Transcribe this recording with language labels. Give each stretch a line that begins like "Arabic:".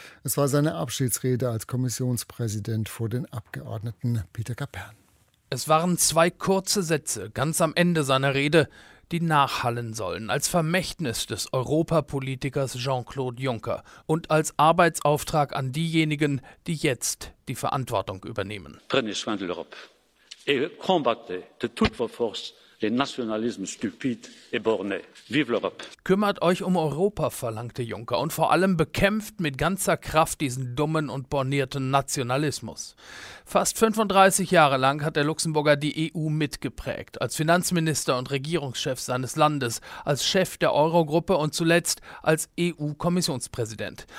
German: Es war seine Abschiedsrede als Kommissionspräsident vor den Abgeordneten Peter Kapern. Es waren zwei kurze Sätze ganz am Ende seiner Rede, die nachhallen sollen als Vermächtnis des Europapolitikers Jean-Claude Juncker und als Arbeitsauftrag an diejenigen, die jetzt die Verantwortung übernehmen.
French: Prenez soin de l'Europe. et combattre de toute votre force le nationalisme stupide et borné. Vive l'Europe!
German: Kümmert euch um Europa, verlangte Juncker, und vor allem bekämpft mit ganzer Kraft diesen dummen und bornierten Nationalismus. Fast 35 Jahre lang hat der Luxemburger die EU mitgeprägt, als Finanzminister und Regierungschef seines Landes, als Chef der Eurogruppe und zuletzt als EU-Kommissionspräsident.